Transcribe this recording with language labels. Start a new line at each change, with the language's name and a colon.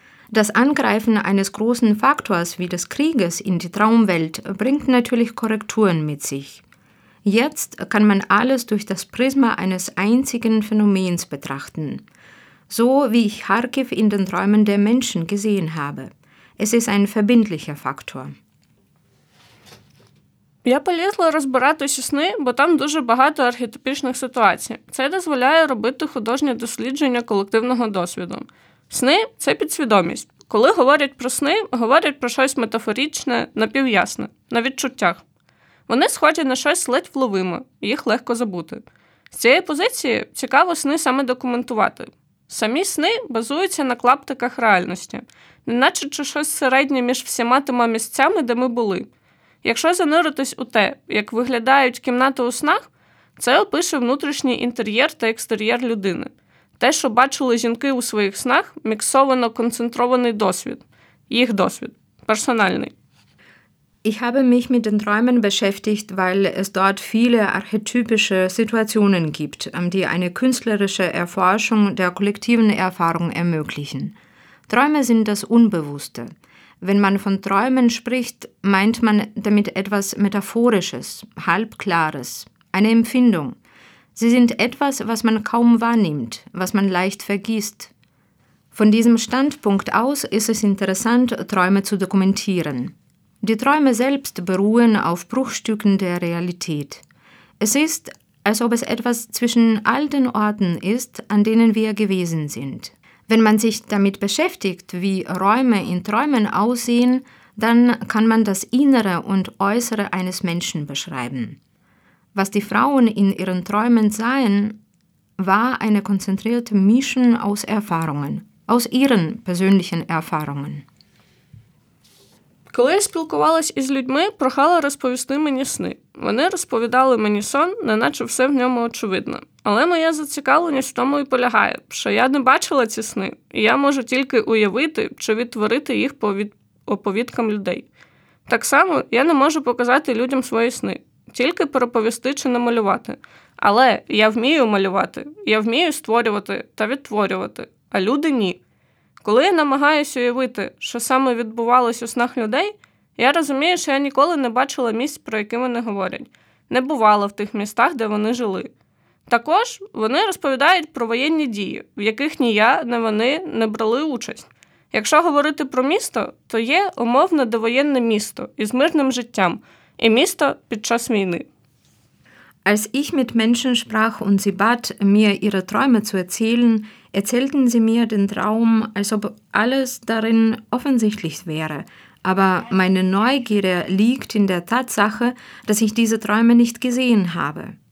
German: Das Angreifen eines großen Faktors wie des Krieges in die Traumwelt bringt natürlich Korrekturen mit sich. Jetzt kann man alles durch das Prisma eines einzigen Phänomens betrachten. So wie ich Kharkiv in den Träumen der Menschen gesehen habe. Es ist ein verbindlicher Faktor.
Ukrainian: Я полізла розбиратися сни, бо там дуже багато архетипічних ситуацій. Це дозволяє робити художнє дослідження колективного досвіду. Сни – це підсвідомість. Коли говорять про сни, говорять про щось метафорічне, напівясне, на відчуттях. Вони схожі на щось ледь вловиме, їх легко забути. З цієї позиції цікаво сни саме документувати. Самі сни базуються на клаптиках реальності, неначе чи щось середнє між всіма тими місцями, де ми були. Якщо зануритись у те, як виглядають кімнати у снах, це опише внутрішній інтер'єр та екстер'єр людини. Те, що бачили жінки у своїх снах, міксовано концентрований досвід, їх досвід, персональний.
German: Ich habe mich mit den Träumen beschäftigt, weil es dort viele archetypische Situationen gibt, die eine künstlerische Erforschung der kollektiven Erfahrung ermöglichen. Träume sind das Unbewusste. Wenn man von Träumen spricht, meint man damit etwas Metaphorisches, Halbklares, eine Empfindung. Sie sind etwas, was man kaum wahrnimmt, was man leicht vergisst. Von diesem Standpunkt aus ist es interessant, Träume zu dokumentieren. Die Träume selbst beruhen auf Bruchstücken der Realität. Es ist, als ob es etwas zwischen all den Orten ist, an denen wir gewesen sind. Wenn man sich damit beschäftigt, wie Räume in Träumen aussehen, dann kann man das Innere und Äußere eines Menschen beschreiben. Was die Frauen in ihren Träumen sahen, war eine konzentrierte Mischung aus Erfahrungen, aus ihren persönlichen Erfahrungen.
Ukrainian: Коли я спілкувалась із людьми, прохала розповісти мені сни. Вони розповідали мені сон, неначе все в ньому очевидно. Але моя зацікавленість в тому і полягає, що я не бачила ці сни, і я можу тільки уявити чи відтворити їх по оповідкам людей. Так само я не можу показати людям свої сни, тільки переповісти чи намалювати. Але я вмію малювати, я вмію створювати та відтворювати, а люди – ні. Коли я намагаюся уявити, що саме відбувалося у снах людей, я розумію, що я ніколи не бачила місць, про які вони говорять. Не бувала в тих містах, де вони жили. Також вони розповідають про воєнні дії, в яких ні я, ні вони не брали участь. Якщо говорити про місто, то є умовно довоєнне місто із мирним життям і місто під час війни.
German: Als ich mit Menschen sprach und sie bat, mir ihre Träume zu erzählen, erzählten sie mir den Traum, als ob alles darin offensichtlich wäre. Aber meine Neugierde liegt in der Tatsache, dass ich diese Träume nicht gesehen habe.